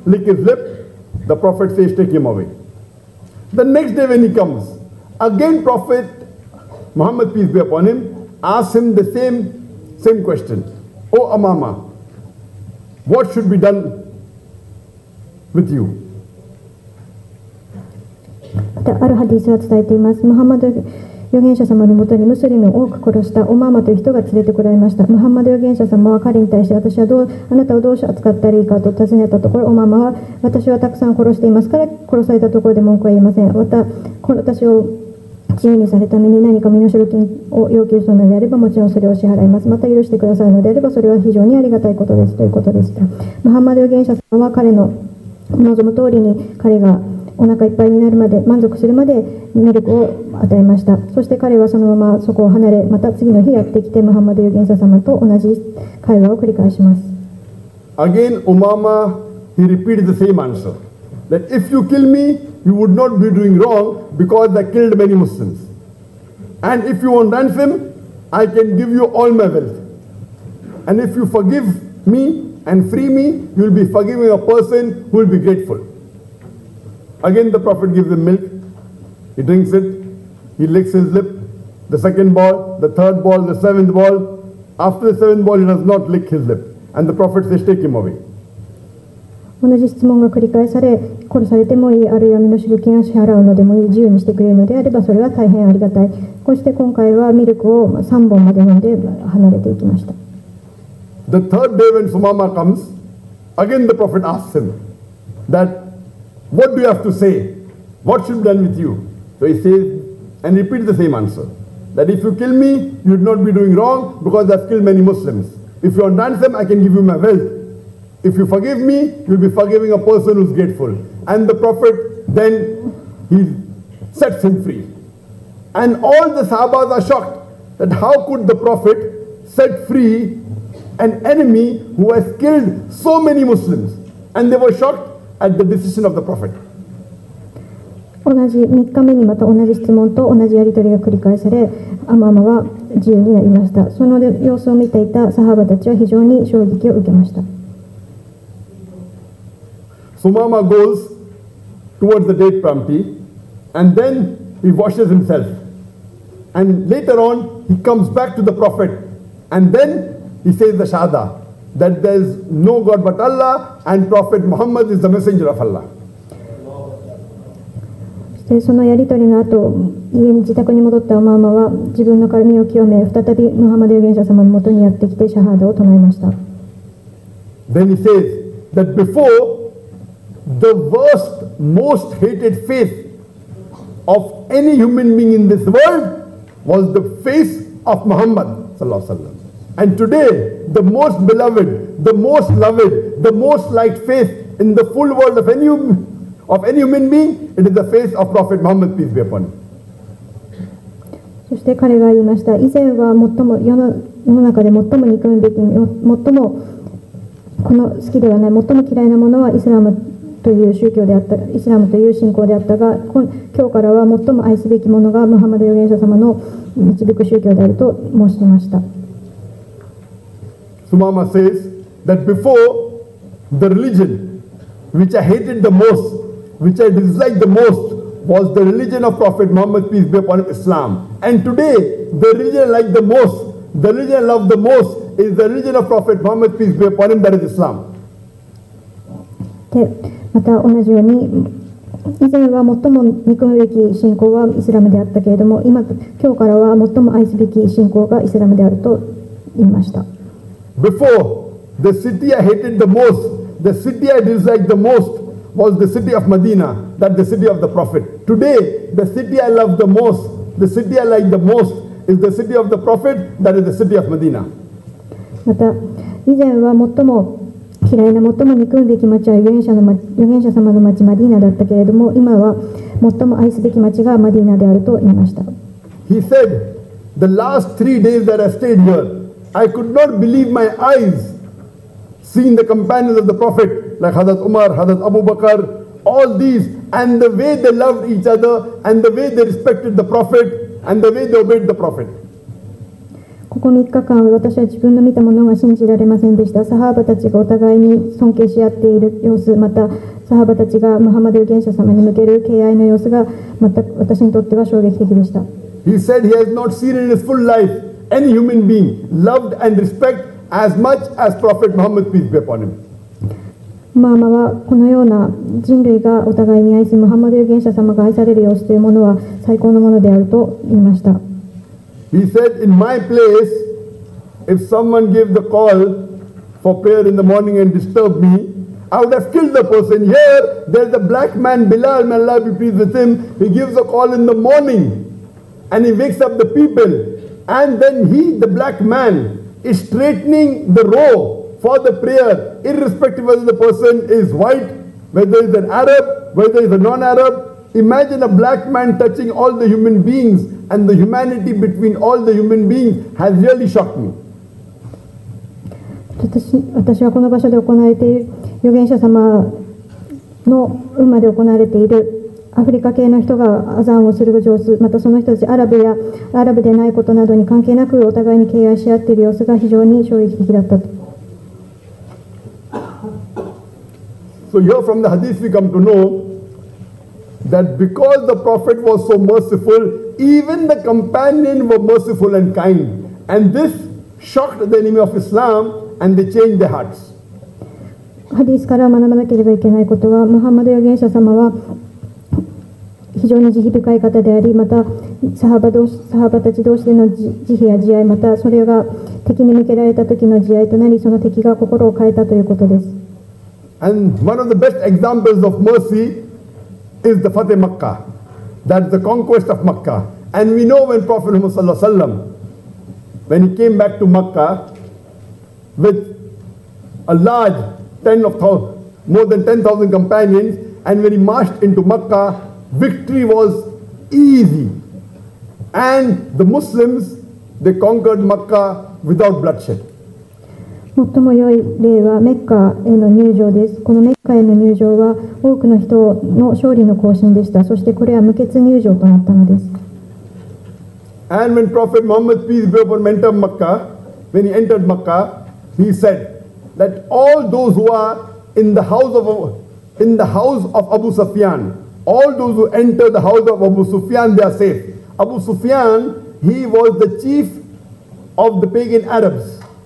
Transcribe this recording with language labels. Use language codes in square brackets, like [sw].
[en] Lick his lip, the Prophet says, take him away. The next day when he comes, again Prophet Muhammad, peace be upon him, asks him the same question. O Umama, what should be done with you? [ja] たあるハディスは伝えています。ムハンマド預言者様のもとにムスリムを多く殺したオマーマという人が連れてこられました。ムハンマド預言者様は彼に対して、私はどうあなたをどう扱ったらいいかと尋ねたところ、オマーマは私はたくさん殺していますから殺されたところで文句は言いません、またこの私を自由にされたために何か身代金を要求するのであればもちろんそれを支払います、また許してくださるのであればそれは非常にありがたいことですということでした。ムハンマド預言者様は彼の望む通りに、彼がお腹いっぱいになるまで満足するまでミルクを与えました。そして彼はそのままそこを離れ、また次の日やってきてムハンマド預言者様と同じ会話を繰り返します。 [en] Again Umama he repeated the same answer that if you kill me you would not be doing wrong because I killed many Muslims and if you won't ransom I can give you all my wealth and if you forgive me and free me you will be forgiving a person who will be gratefulAgain the prophet gives him milk, he drinks it, he licks his lip, the second ball, the third ball, the seventh ball, after the seventh ball he does not lick his lip and the prophet says take him away. [ja] 同じ質問が繰り返され、殺されてもいい、あるいは身代金を支払うのでもいい、自由にしてくれるのであればそれは大変ありがたい。こうして今回はミルクを3本まで飲んで離れていきました。 [en] The third day when Sumama comes, again the prophet asks him thatWhat do you have to say? What should be done with you? So he says and repeats the same answer that if you kill me, you'd not be doing wrong because I've killed many Muslims. If you don't ransom, I can give you my wealth. If you forgive me, you'll be forgiving a person who's grateful. And the Prophet then he sets him free. And all the Sahabas are shocked that how could the Prophet set free an enemy who has killed so many Muslims? And they were shocked. At the decision of the prophet. [ja] 同じ3日目にまた同じ質問と同じやり取りが繰り返され、アママは自由になりました。その様子を見ていたサハバたちは非常に衝撃を受けました。 [en] So Mama goes towards the date palm tree, and then he washes himself. And later on, he comes back to the prophet, and then he says the shahada. That there is no God but Allah and Prophet Muhammad is the messenger of Allah. [ja] そしてそのやり取りの後、家に自宅に戻ったオマーマは自分の髪を清め、再びムハンマド預言者様のもとにやってきてシャハードを唱えました。 [en] Then he says that before the worst, most hated faith of any human being in this world was the faith of Muhammad [ar] sallallahu alaihi wasallam. [en] And today, the most beloved, the most loved, the most liked faith in the full world of any human being, it is the faith of Prophet Muhammad, peace be upon him. [ja] そして彼が言いました。以前は最も世の中で最も憎むべき、最もこの好きではない、最も嫌いなものはイスラムという宗教であった、イスラムという信仰であったが、今日からは最も愛すべきものがムハンマド預言者様の導く宗教であると申しました。 [en] Sumama says that before the religion which I hated the most, which I disliked the most, was the religion of Prophet Muhammad, peace be upon him, Islam. And today, the religion I like the most, the religion I love the most, is the religion of Prophet Muhammad, peace be upon him, that is Islam. [ja] また同じように以前は最も憎むべき信仰はイスラムであったけれども、今日からは最も愛すべき信仰がイスラムであると言いました。 [en] Before, the city I hated the most, the city I disliked the most, was the city of Medina, that the city of the Prophet. Today, the city I love the most, the city I like the most, is the city of the Prophet, that is the city of Medina. [ja] また、以前は最も嫌いな、最も憎むべき町は預言者様の町マディーナだったけれども、今は最も愛すべき町がマディーナであると言いました。 [en] He said, the last three days that I stayed here,I could not believe my eyes seeing the companions of the Prophet like Hazrat Umar, Hazrat Abu Bakr, all these and the way they loved each other and the way they respected the Prophet and the way they obeyed the Prophet. [ja] ここ3日間私は自分の見たものが信じられませんでした。サハバたちがお互いに尊敬し合っている様子、またサハバたちがムハンマド預言者様に向ける敬愛の様子が全く私にとっては衝撃的でした。 [en] He said he has not seen in his full life. Any human being loved and respect as much as Prophet Muhammad peace be upon him. [ja] まあまあこのような人類がお互いに愛しムハンマド預言者様が愛される様子というものは最高のものであると言いました。 [en] He said in my place if someone gave the call for prayer in the morning and disturbed me I would have killed the person. Here there's a black man Bilal, may Allah be pleased with him. He gives a call in the morning and he wakes up the people and then he the black man is straightening the row for the prayer irrespective whether the person is white whether he's an Arab whether he's a non-Arab imagine a black man touching all the human beings and the humanity between all the human beings has really shocked me [ja] 私はこの場所で行われている預言者様の運まで行われているアフリカ系の人がアザンをする様子またその人たちアラブやアラブでないことなどに関係なくお互いに敬愛し合っている様子が非常に衝撃的だったと [en] So here from the hadith we come to know that because the prophet was so merciful even the companion were merciful and kind and this shocked the enemy of Islam and they changed their hearts [ja] ハディスから学ばなければいけないことはムハンマド預言者様は非常に慈悲深い方でありまたサハバたち同士での慈悲や慈愛またそれが敵に向けられた時の慈愛となりその敵が心を変えたということです [en] And one of the best examples of mercy is the Fateh Makkah that is the conquest of Makkah and we know when Prophet Muhammad [ar] sallallahu alaihi wasallam [en] when he came back to Makkah with a large more than 10,000 companions and when he marched into Makkah victory was easy and the Muslims they conquered Makkah without bloodshed [ja] 最も良い例はメッカへの入場ですこのメッカへの入場は多くの人の勝利の行進でしたそしてこれは無血入場となったのです [en] and when Prophet Muhammad peace be upon him entered Makkah when he entered Makkah he saidThat all those who are in the house of Abu Sufyan, all those who enter the house of Abu Sufyan, they are safe. Abu Sufyan, he was the chief of the pagan Arabs.